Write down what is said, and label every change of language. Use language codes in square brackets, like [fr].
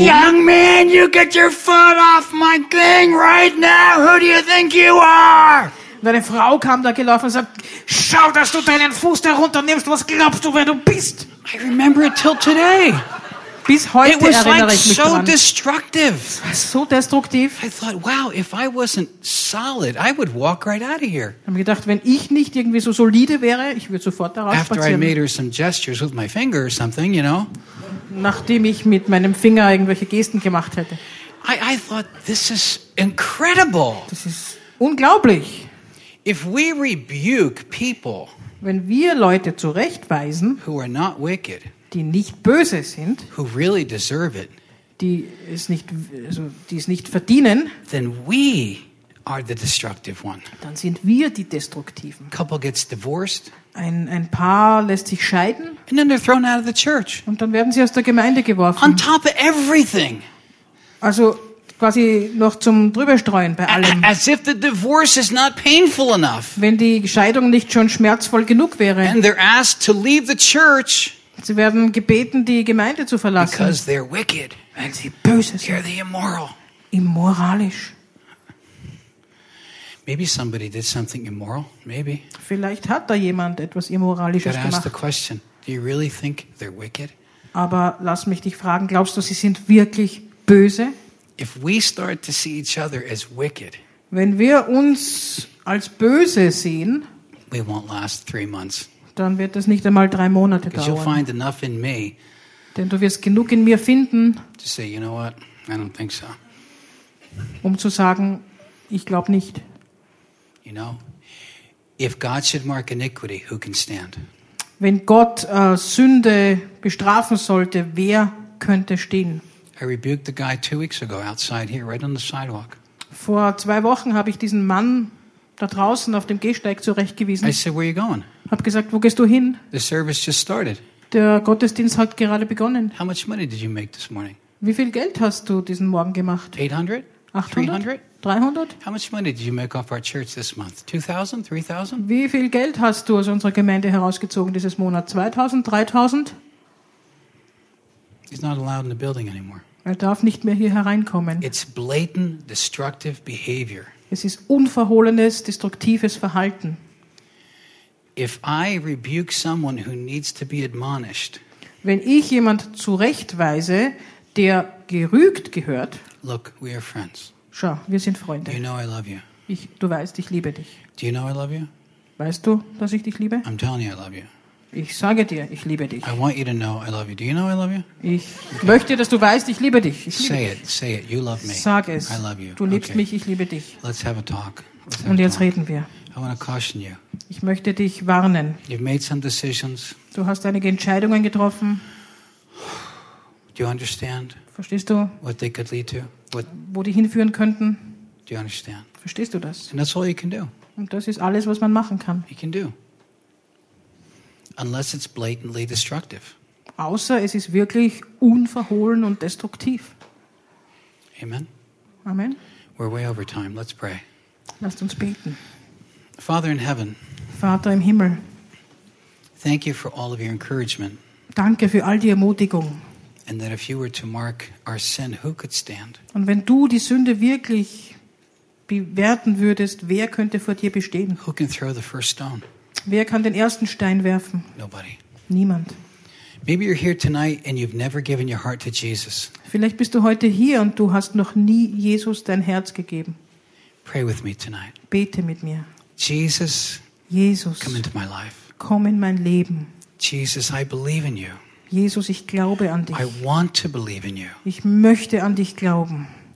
[en] Young man, you get your foot off my thing right now. Who do you think you are? [de] Und eine Frau kam da gelaufen und sagt, schau, dass du deinen Fuß da runternimmst. Was glaubst du, wer du bist? [en] I remember it till today. [de] Bis heute erinnere ich mich dran. [en] It was like so destructive. [de] So destruktiv. [en] I thought, wow, if I wasn't solid, I would walk right out of here. [de] Habe gedacht, wenn ich nicht irgendwie so solide wäre, ich würde sofort da raus spazieren. [en] After I made her some gestures with my finger or something, you know. [de] Nachdem ich mit meinem Finger irgendwelche Gesten gemacht hätte. [en] I thought, this is incredible. [de] Das ist unglaublich. [en] If we rebuke people, [de] wenn wir Leute zurechtweisen, [en] who are not wicked, [de] die nicht böse sind, [en] who really deserve it, [de] die es nicht verdienen, [en] then we are the destructive one. [de] Dann sind wir die Destruktiven. [en] Couple gets divorced. [de] Ein Paar lässt sich scheiden. [en] And then they're thrown out of the church. [de] Und dann werden sie aus der Gemeinde geworfen. [en] On top of everything. [de] Also quasi noch zum Drüberstreuen bei allem. [en] As if the divorce is not painful enough. [de] Wenn die Scheidung nicht schon schmerzvoll genug wäre. [en] And they're asked to leave the church. [de] Sie werden gebeten, die Gemeinde zu verlassen. [en] Because they're wicked. [de] Weil sie böse sind. [en] They're the immoral. [de] Immoralisch. [en] Maybe somebody did something immoral. Maybe. [de] Vielleicht hat da jemand etwas Immoralisches gemacht. [en] You gotta ask the question. Do you really think they're wicked? [de] Aber lass mich dich fragen, glaubst du, sie sind wirklich böse? [en] If we start to see each other as wicked, [de] wenn wir uns als böse sehen, [en] we won't last 3 months. [de] Dann wird das nicht einmal 3 Monate dauern. [en] You'll find enough in me, [de] denn du wirst genug in mir finden, [en] to say, you know what? I don't think so. [de] Um zu sagen, ich glaube nicht. [en] You know, if God should mark iniquity, who can stand? [de] Wenn Gott Sünde bestrafen sollte, wer könnte stehen? [en] I rebuked the guy 2 weeks ago outside here, right on the sidewalk. [de] Vor 2 Wochen habe ich diesen Mann da draußen auf dem Gehsteig zurechtgewiesen. [en] I said, where are you going? [de] Hab gesagt, wo gehst du hin? [en] The service just started. [de] Der Gottesdienst hat gerade begonnen. [en] How much money did you make this morning? [de] Wie viel Geld hast du diesen Morgen gemacht? [en] 800? [de] 800? 300? [en] How much money did you make off our church this month? 2000? 3000? [de] Wie viel Geld hast du aus unserer Gemeinde herausgezogen dieses Monat? 2000? 3000? [en] He's not allowed in the building anymore. [de] Er darf nicht mehr hier hereinkommen. [en] It's blatant destructive behavior. [de] Es ist unverhohlenes, destruktives Verhalten. [en] If I rebuke someone who needs to be admonished, [de] wenn ich jemand zurechtweise, der gerügt gehört, [en] look, we are friends. [de] Schau, wir sind Freunde. [en] You know I love you. [de] Du weißt, ich liebe dich. [en] Do you know I love you? [de] Weißt du, dass ich dich liebe? [en] I'm telling you I love you. [de] Ich sage dir, ich liebe dich. [en] I want you to know I love you. Do you know I love you? [de] Ich möchte, dass du weißt, ich liebe dich. [en] Say it. You love me. [de] Sag es. [en] I love you. [de] Du liebst mich, ich liebe dich. [en] Let's have a talk. [de] Und jetzt reden wir. [en] I want to caution you. [de] Ich möchte dich warnen. [en] You've made some decisions. [de] Du hast einige Entscheidungen getroffen. [en] Do you understand? [de] Verstehst du? [en] What they could lead to? [de] Wo die hinführen könnten? [en] Do you understand? [de] Verstehst du das? [en] And that's all you can do. [de] Und das ist alles, was man machen kann. [en] You can do. Unless it's blatantly destructive. [de] Außer es ist wirklich unverhohlen und destruktiv. [en] Amen. [de] Amen. [en] We're way over time. Let's pray. [de] Lasst uns beten. [en] Father in heaven. [de] Vater im Himmel. [en] Thank you for all of your encouragement. [de] Danke für all die Ermutigung. [en] And that if you were to mark our sin, who could stand? [de] Und wenn du die Sünde wirklich bewerten würdest, wer könnte vor dir bestehen? [en] Who can throw the first stone? [de] Wer kann den ersten Stein werfen? [en] Nobody. [de] Niemand. [en] Maybe you're here tonight and you've never given your heart to Jesus. [de] Vielleicht bist du heute hier und du hast noch nie Jesus dein Herz gegeben. [en] Pray with me tonight. [de] Bete mit mir. [en] Jesus. [de] Jesus. [en] Come into my life. [de] Komm in mein Leben. [en] Jesus, I believe in you. [de] Jesus, ich glaube an dich. [en] I want to believe in you. [de] Ich möchte an dich glauben.